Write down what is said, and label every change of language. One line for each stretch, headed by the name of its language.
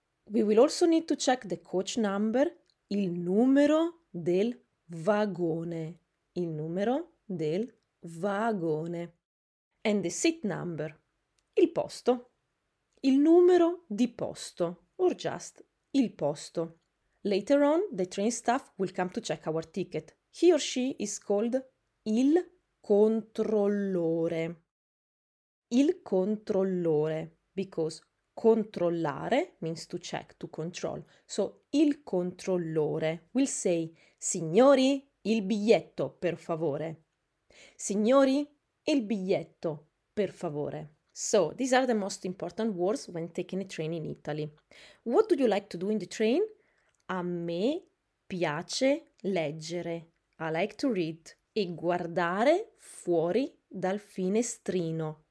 English: We will also need to check the coach number,
Italian: il numero del vagone. Il numero del vagone.
English: And the seat number,
Italian: il posto. Il numero di posto,
English: or just
Italian: il posto.
English: Later on, the train staff will come to check our ticket. He or she is called il controllore. Il controllore, because controllare means to check, to control. So il controllore will say
Italian: signori, il biglietto, per favore. Signori, il biglietto, per favore.
English: So these are the most important words when taking a train in Italy. What do you like to do in the train?
Italian: A me piace leggere.
English: I like to read.
Italian: E guardare fuori dal finestrino.